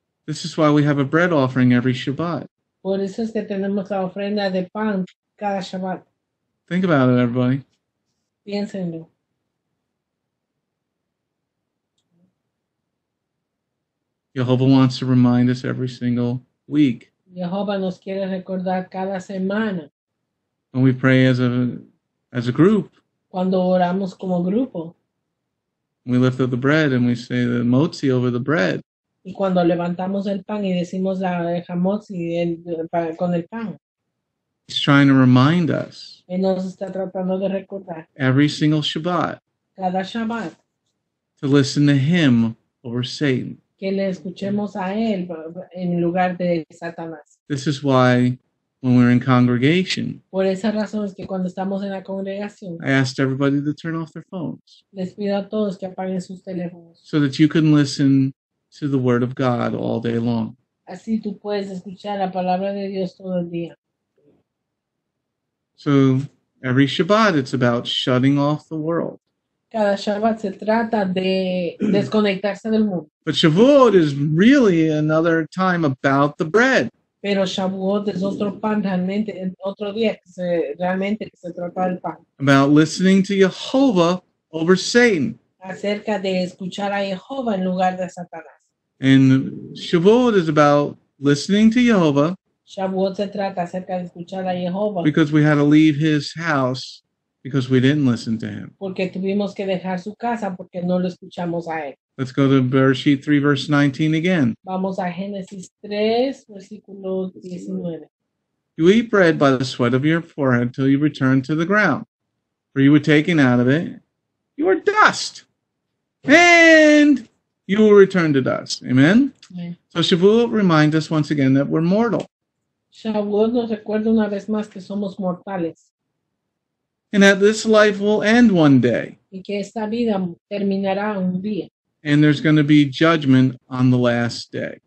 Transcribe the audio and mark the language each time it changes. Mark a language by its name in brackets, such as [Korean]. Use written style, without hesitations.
[English] This is why we have a bread offering every Shabbat. [Spanish] Por eso es que tenemos la ofrenda de pan cada Shabbat. [English] Think about it, everybody. [Spanish] Piénsenlo. [English] Yehovah wants to remind us every single week. [Spanish] Yehovah nos quiere recordar cada semana. [English] When we pray as a group. [Spanish] Cuando oramos como grupo. [English] We lift up the bread and we say the motzi over the bread. [Spanish] Y cuando levantamos el pan y decimos la jamotzi con el pan. [English] He's trying to remind us. [Spanish] Él nos está tratando de recordar. [English] Every single Shabbat. [Spanish] Cada Shabbat. [English] To listen to him over Satan. [Spanish] Que le escuchemos a él en lugar de Satanás. [English] This is why. When we're in congregation, [Spanish] por esa razón es que cuando estamos en la congregación, [English] I asked everybody to turn off their phones. [Spanish] Les pido a todos que apaguen sus teléfonos. [English] So that you can listen to the word of God all day long. [Spanish] Así tú puedes escuchar la palabra de Dios todo el día. [English] So every Shabbat it's about shutting off the world. [Spanish] Cada Shabbat se trata de desconectarse del mundo. [English] But Shavuot is really another time about the bread. [Spanish] Pero Shavuot es otro pan realmente, otro día que se trata del pan. [English] About listening to Yehovah over Satan. [Spanish] Acerca de escuchar a Yehovah en lugar de Satanás. [English] And Shavuot is about listening to Yehovah. [Spanish] Shavuot se trata acerca de escuchar a Yehovah. [English] Because we had to leave his house because we didn't listen to him. [Spanish] Porque tuvimos que dejar su casa porque no lo escuchamos a él. [English] Let's go to Bereshit 3, verse 19 again. [Spanish] Vamos a Génesis 3, versículo 19. [English] You eat bread by the sweat of your forehead till you return to the ground. For you were taken out of it. You are dust. And you will return to dust. Amen? Okay. So Shavuot reminds us once again that we're mortal. [Spanish] Shavuot nos recuerda una vez más que somos mortales. [English] And that this life will end one day. [Spanish] Y que esta vida terminará un día. [English] And there's going to be judgment on the last day.